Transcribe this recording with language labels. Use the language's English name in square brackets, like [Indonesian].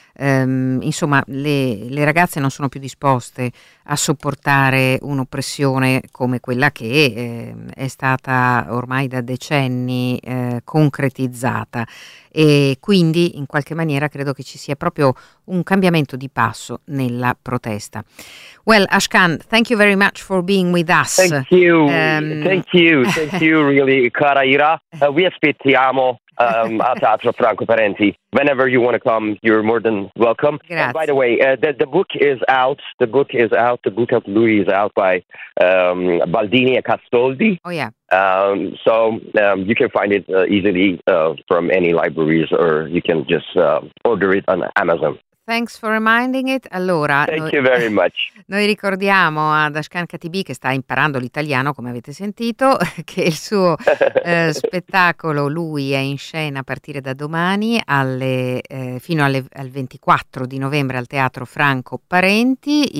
[Italian] Insomma, le ragazze non sono più disposte a sopportare un'oppressione come quella che è stata ormai da decenni concretizzata. E quindi in qualche maniera credo che ci sia proprio un cambiamento di passo nella protesta. [English] Well, Ashkan, thank you very much for being with us. Thank you really, cara Ira. We [Italian] aspettiamo a [English] Teatro Franco Parenti. Whenever you want to come, you're more than welcome. [Italian] Grazie. [English] By the way, the book is out. The book is out. The book of Louis is out by Baldini e Castoldi. Oh, yeah. So you can find it easily from any libraries, or you can just order it on Amazon. Thanks for reminding it. [Italian] Allora, [English] Thank you very much. [Italian] Noi ricordiamo ad Ashkan Katibi, che sta imparando l'italiano, come avete sentito, che il suo spettacolo, lui, è in scena a partire da domani fino al 24 di novembre al Teatro Franco Parenti.